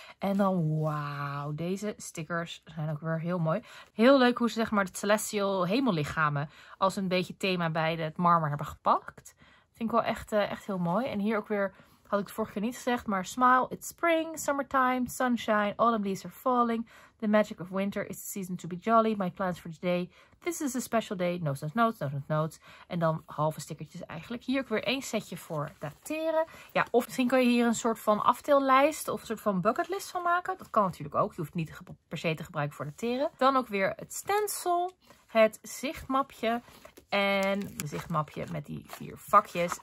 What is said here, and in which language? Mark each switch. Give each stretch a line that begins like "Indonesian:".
Dutch: En dan, wauw, deze stickers zijn ook weer heel mooi. Heel leuk hoe ze, zeg maar, de celestial hemellichamen als een beetje thema bij het marmer hebben gepakt. Vind ik wel echt heel mooi. En hier ook weer Had ik het vorige keer niet gezegd, maar
English: smile, it's spring, summertime, sunshine, autumn leaves are falling. The magic of winter is the season to be jolly. My plans for today, this is a special day. Notes, notes, notes, notes, notes.
Dutch: En dan halve stickertjes eigenlijk. Hier ook weer één setje voor dateren. Ja, of misschien kan je hier een soort van aftellijst of een soort van bucketlist van maken. Dat kan natuurlijk ook. Je hoeft het niet per se te gebruiken voor dateren. Dan ook weer het stencil, het zichtmapje en het zichtmapje met die vier vakjes.